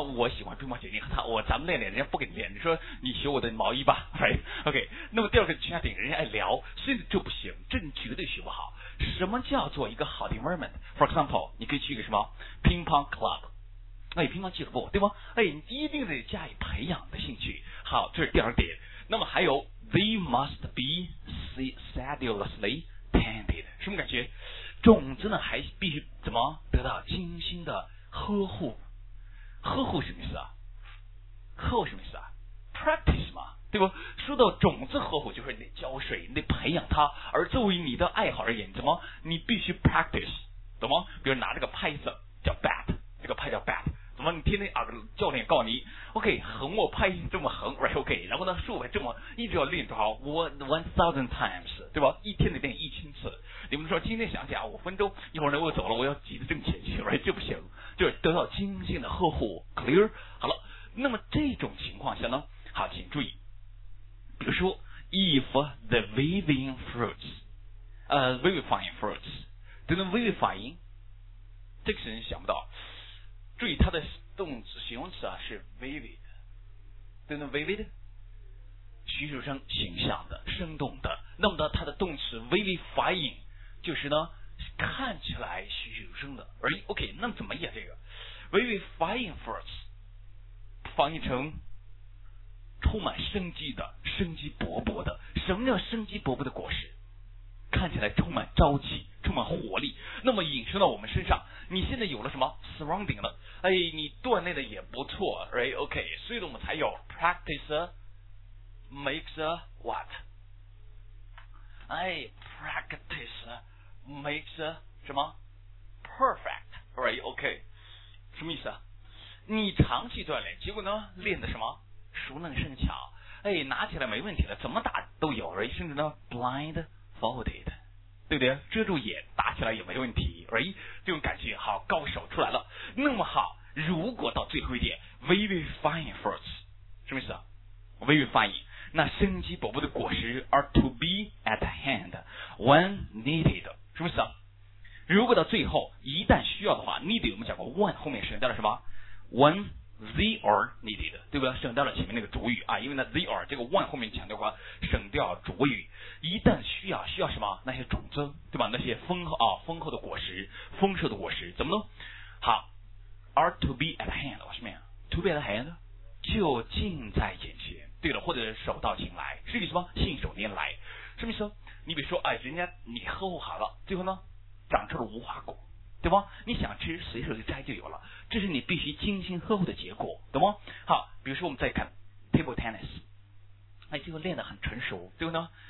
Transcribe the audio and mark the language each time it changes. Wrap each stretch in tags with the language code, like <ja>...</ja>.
<zh>我喜欢乒乓球，你和他，咱们练练，人家不给你练。你说你学我的毛衣吧 ，right？</zh> <en>OK。</en> <zh>那么第二个 chatting， 人家爱聊，所以这不行，这你绝对学不好。什么叫做一个好的 environment？</zh> <en>For example，</en> <zh>你可以去一个什么乒乓 club， 哎，乒乓俱乐部，对吗？哎，你一定得加以培养的兴趣。好，这是第二点。那么还有 ，</zh> <en>they must be sedulously tended，</en> <zh>什么感觉？种子呢，还必须怎么得到精心的呵护？呵护什么意思啊？呵护什么意思啊 ？Practice 嘛。对吧？说到种子呵护，就是你得浇水，你得培养它。而作为你的爱好而言，怎么你必须 practice， 懂吗？比如拿这个拍子叫 bat， 这个拍叫 bat， 怎么你天天啊教练告你 ，OK， 横握拍这么横 ，right？OK，、okay, 然后呢竖拍这么一直要练多少 ？1000 times， 对吧？一天得练1000次。你们说今天想起啊，5分钟，一会儿呢我走了，我要急着挣钱去 ，right？这不行，就是得到精心的呵护 ，clear。好了，那么这种情况下呢，好，请注意。比如说 ，</zh> <en>if the vivifying fruits，</en> <zh>vivifying fruits， 这个 vivifying， 这个是你想不到。注意它的动词形容词啊是 vivid， 这个 vivid， 叙述声形象的、生动的。那么呢，它的动词 vivifying 就是呢看起来栩栩如生的。而 OK， 那怎么演这个 vivifying fruits， 翻译成？充满生机的、生机勃勃的，什么叫生机勃勃的果实？看起来充满朝气、充满活力。那么引申到我们身上，你现在有了什么 surrounding 了？哎，你锻炼的也不错 ，right？ OK， 所以我们才有</zh> <en>practice makes a what？哎 ，practice makes a 什么 perfect？</en> <zh>right？ OK， 什么意思啊？你长期锻炼，结果呢，练的什么？熟能生巧，哎，拿起来没问题了，怎么打都有，甚至呢 blindfolded， 对不对？遮住眼打起来也没问题，哎，这种感觉好，高手出来了。那么好，如果到最后一点 vivifying fruits， 什么意思啊 ？vivifying 那生机勃勃的果实</zh> <en>are to be at hand when needed，</en> <zh>什么意思啊？如果到最后一旦需要的话 ，need 我们讲过 when 后面省掉了什么 when。</zh> <en>They are needed， 对不对？</en> <zh>省掉了前面那个主语啊，因为呢 ，they are 这个 one 后面强调话，省掉主语。一旦需要什么？那些种子，对吧？那些丰厚的果实，丰盛的果实，怎么弄？好 ，</zh> <en>are to be at hand，</en> <zh>什么呀 ？to be at hand， 就近在眼前。对了，或者手到擒来，是意思吗？信手拈来，什么意思？你比如说，哎，人家你呵护好了，最后呢，长出了无花果。对吧？你想吃，随手就摘就有了，这是你必须精心呵护的结果，懂吗？好，比如说我们再看 table tennis， 哎，这个练得很成熟，对不对？</zh>